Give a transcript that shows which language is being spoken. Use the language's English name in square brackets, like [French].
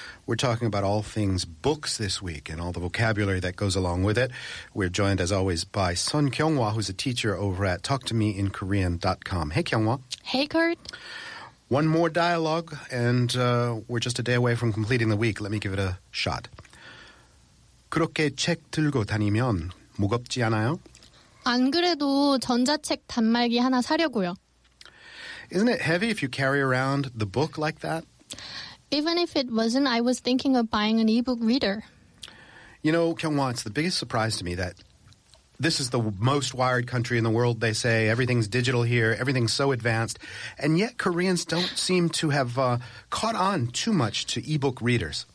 [English] We're talking about all things books this week and all the vocabulary that goes along with it. We're joined, as always, by Son Kyung-hwa, who's a teacher over at TalkToMeInKorean.com. Hey, Kyung-hwa. Hey, Kurt. One more dialogue, and we're just a day away from completing the week. Let me give it a shot. [Korean] 그렇게 책 들고 다니면 무겁지 않아요? 안 그래도 전자책 단말기 하나 사려고요. [English] Isn't it heavy if you carry around the book like that? Even if it wasn't, I was thinking of buying an e-book reader. You know, Kyung-hwa, it's the biggest surprise to me that this is the most wired country in the world, they say. Everything's digital here. Everything's so advanced. And yet Koreans don't seem to have caught on too much to e-book readers.